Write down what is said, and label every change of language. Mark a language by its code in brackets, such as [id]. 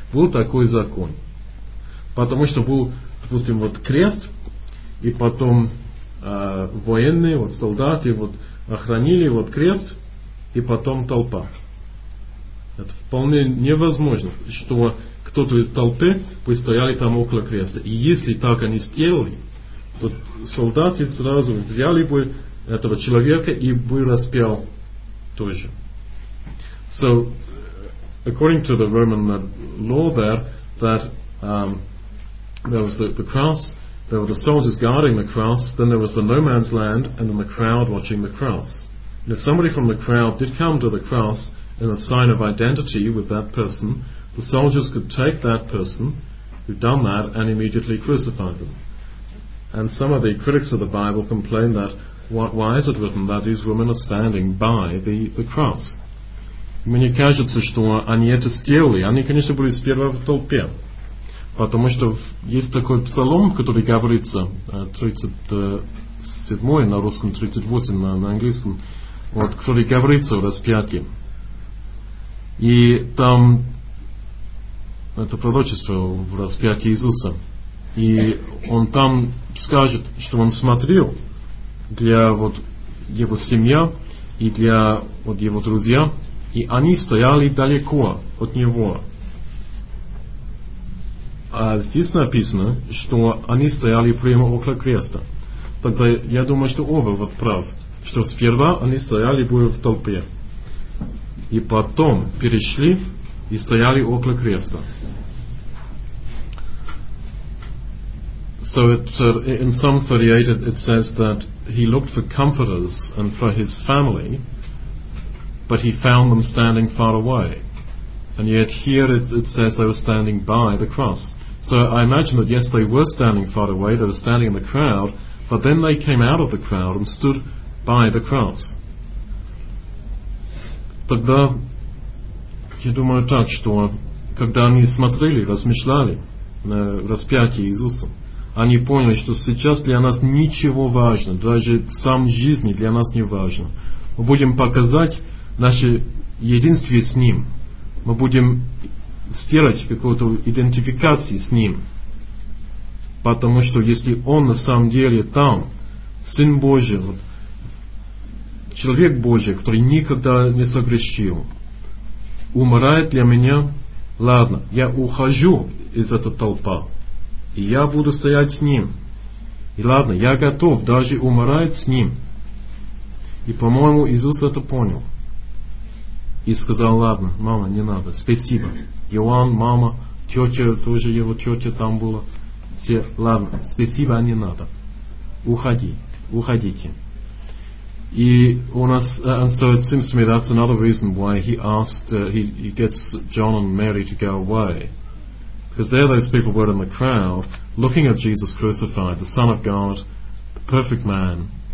[ru] Был такой закон. Потому что был, допустим, вот крест, и потом военные, вот солдаты вот охранили вот крест, и потом толпа. Это вполне невозможно, что кто-то из толпы бы стояли там около креста. И если так они сделали, то солдаты сразу взяли бы этого человека и бы распял тоже. [en] So, according to the Roman law there, that there was the cross, there were the soldiers guarding the cross, then there was the no man's land, and then the crowd watching the cross. And if somebody from the crowd did come to the cross in a sign of identity with that person, the soldiers could take that person who'd done that and immediately crucify them. And some of the critics of the Bible complain that why is it written that these women are standing by the cross? [ru] Мне кажется, что они это сделали. Они, конечно, были сперва в толпе. Потому что есть такой псалом, который говорится, 37 на русском, 38 на английском, вот, который говорится в распятии. И там это пророчество в распятии Иисуса. И он там скажет, что он смотрел для вот его семья и для вот его друзья, и они стояли далеко от него. А здесь написано, что они стояли прямо около креста. Тогда я думаю, что оба вот прав, что сперва они стояли бы в толпе, и потом перешли и стояли около креста. [en] So in Psalm 38 it says that he looked for comforters and for his family, but he found them standing far away. And yet here it says they were standing by the cross. So I imagine that yes, they were standing far away, they were standing in the crowd, but then they came out of the crowd and stood by the cross. [ru] Тогда я думаю так, что когда они смотрели, размышляли на распятие Иисуса, они поняли, что сейчас для нас ничего важно, даже сам жизни для нас не важно. Мы будем показать наше единство с Ним. Мы будем сделать какую-то идентификацию с Ним. Потому что если Он на самом деле там, Сын Божий, вот, Человек Божий, который никогда не согрешил, умирает для меня, ладно, я ухожу из этой толпы. И я буду стоять с ним. И ладно, я готов даже умирать с ним. И, по-моему, Иисус это понял. И сказал, ладно, мама, не надо, спасибо. Иоанн, мама, тетя, тоже его тетя там была. Все, ладно, спасибо, не надо. Уходи, уходите. И у нас, [en] and so it seems to me that's another reason why he asked, he gets John and Mary to go away. Because there those people were in the crowd, looking at Jesus crucified, the Son of God, the perfect man.